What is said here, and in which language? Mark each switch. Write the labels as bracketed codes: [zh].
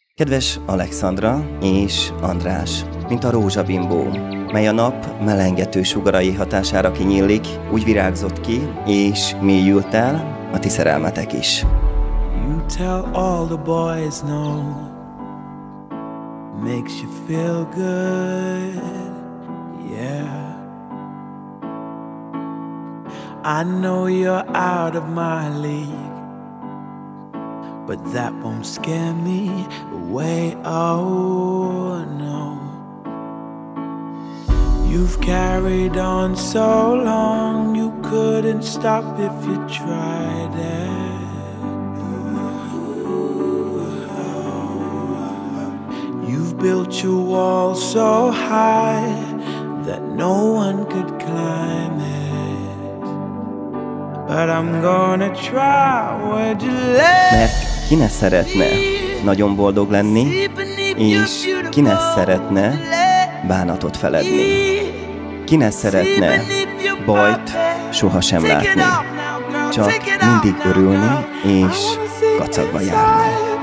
[hu] Kedves Alexandra és András, mint a rózsabimbó, mely a nap melengető sugarai hatására kinyílik, úgy virágzott ki, és mélyült el a ti szerelmetek is. [en] You tell all the boys no, makes you feel good, yeah. I know you're out of my league, but that won't scare me away, oh no. You've carried on so long, you couldn't stop if you tried it. You've built your wall so high that no one could climb it. But I'm gonna try, would you let me? [hu] Ki ne szeretne nagyon boldog lenni, és ki ne szeretne bánatot feledni? Ki ne szeretne bajt sohasem látni, csak mindig örülni és kacagva járni?